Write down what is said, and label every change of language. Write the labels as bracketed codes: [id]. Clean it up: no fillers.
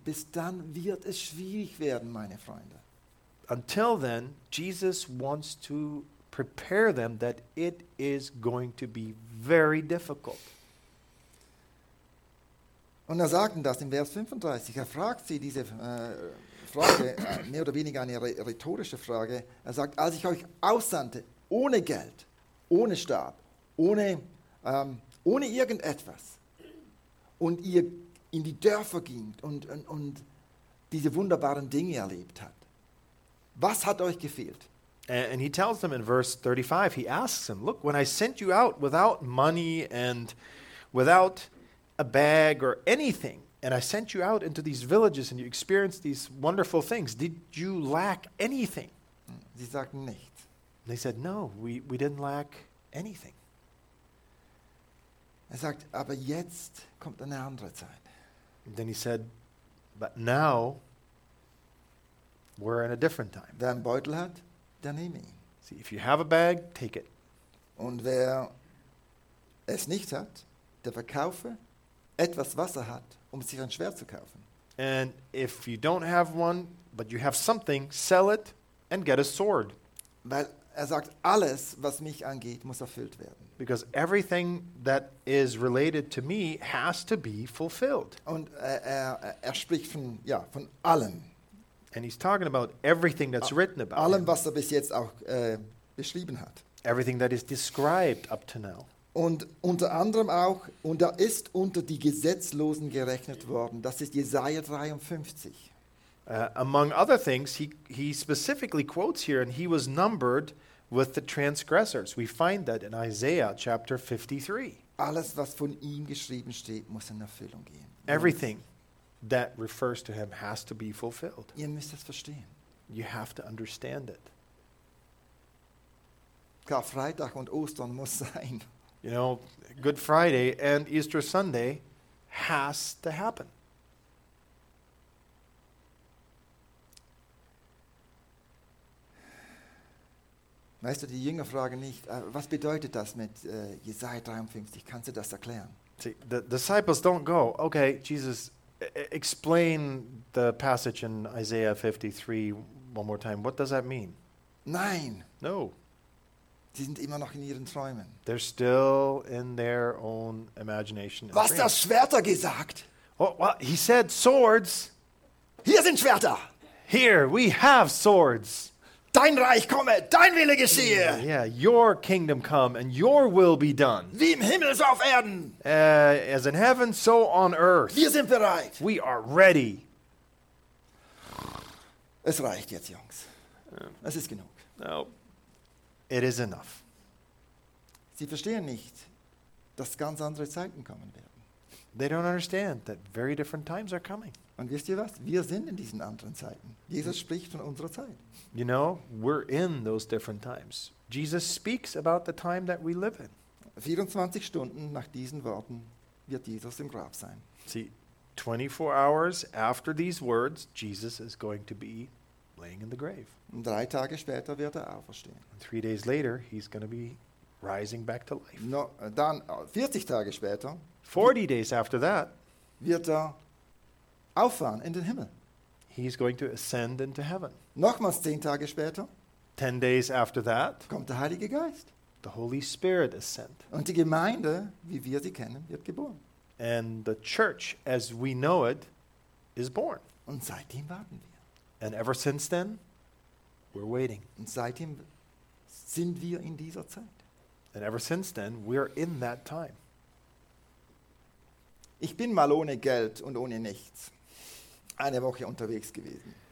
[de] Bis dann wird es schwierig werden, meine Freunde. [en] Until then, Jesus wants to prepare them that it is going to be very difficult. [de] Und er sagt das in Vers 35. Er fragt sie diese Frage, mehr oder weniger eine rhetorische Frage. Er sagt, als ich euch aussandte, ohne Geld, ohne Stab, ohne irgendetwas, und ihr in die Dörfer ging und diese wunderbaren Dinge erlebt hat. Was hat euch gefehlt? [en] And he tells them in verse 35, he asks them, look, when I sent you out without money and without a bag or anything, and I sent you out into these villages and you experienced these wonderful things, did you lack anything? [de] Sie sagten nichts. [en] They said, no, we didn't lack anything. [de] Er sagt, aber jetzt kommt eine andere Zeit. [en] Then he said, but now we're in a different time. [de] Wer einen Beutel hat, der nehme ihn. [en] See, if you have a bag, take it. [de] Und wer es nicht hat, der verkaufe etwas, was er hat, um sich ein Schwert zu kaufen. [en] And if you don't have one, but you have something, sell it and get a sword. [de] Weil er sagt, alles, was mich angeht, muss erfüllt werden. [en] Because everything that is related to me has to be fulfilled. [de] Und er spricht von, ja, von allem. [en] And he's talking about everything that's written about [de] allem, [en] him. [de] Was er bis jetzt auch beschrieben hat. [en] Everything that is described up to now. [de] Und unter anderem auch, und er ist unter die Gesetzlosen gerechnet worden. Das ist Jesaja 53. [en] Among other things, he specifically quotes here, and he was numbered with the transgressors. We find that in Isaiah chapter 53. [de] Alles, was von ihm geschrieben steht, muss in Erfüllung gehen. [en] Everything that refers to him has to be fulfilled. [de] Ihr müsst es verstehen. [en] You have to understand it. [de] Karfreitag und Ostern muss sein. [en] You know, Good Friday and Easter Sunday has to happen. [de] Weißt du, die Jünger fragen nicht, was bedeutet das mit Jesaja 53? Kannst du das erklären? [en] See, the disciples don't go, okay, Jesus, explain the passage in Isaiah 53 one more time. What does that mean? [de] Nein. [en] No. [de] Sie sind immer noch in ihren Träumen. [en] They're still in their own imagination. [de] Was das Schwerter gesagt? [en] Well, he said swords. [de] Hier sind Schwerter. [en] Here we have swords. [de] Dein Reich komme, dein Wille geschehe. [en] Yeah, your kingdom come and your will be done. [de] Wie im Himmel so auf Erden. [en] As in heaven, so on earth. [de] Wir sind bereit. [en] We are ready. [de] Es reicht jetzt, Jungs. Es ist genug. [en] No, it is enough. [de] Sie verstehen nicht, dass ganz andere Zeiten kommen werden. [en] They don't understand that very different times are coming. [de] Und wisst ihr was? Wir sind in diesen anderen Zeiten. Jesus spricht von unserer Zeit. [en] You know, we're in those different times. Jesus speaks about the time that we live in. [de] 24 Stunden nach diesen Worten wird Jesus im Grab sein. [en] See, 24 hours after these words, Jesus is going to be laying in the grave. [de] Und 3 Tage später wird er auferstehen. [en] And 3 days later, he's going to be rising back to life. [de] No, dann 40 Tage später, [en] 40 days after that, [de] wird er auffahren in den Himmel. [en] He's going to ascend into heaven. [de] Nochmals 10 Tage später. [en] 10 days after that. [de] Kommt der Heilige Geist. [en] The Holy Spirit is sent. [de] Und die Gemeinde, wie wir sie kennen, wird geboren. [en] And the church, as we know it, is born. [de] Und seitdem warten wir. [en] And ever since then, we're waiting. [de] Und seitdem sind wir in dieser Zeit. [en] And ever since then, we're in that time. [de] Ich bin mal ohne Geld und ohne nichts eine Woche unterwegs gewesen.